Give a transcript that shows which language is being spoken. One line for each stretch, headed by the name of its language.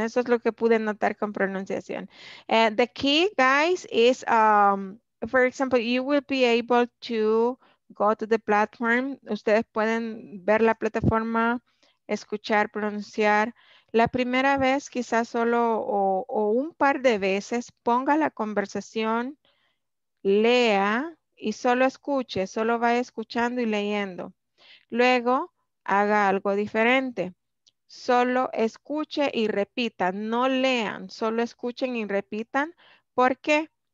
Spanish: Eso es lo que pude notar con pronunciación.
English: And the key, guys, is for example, you will be able to go to the platform.
Spanish: Ustedes pueden ver la plataforma, escuchar, pronunciar. La primera vez, quizás solo o un par de veces, ponga la conversación, lea y solo escuche, solo vaya escuchando y leyendo. Luego, haga algo diferente. Solo escuche y repita, no lean, solo escuchen y repitan. ¿Por qué?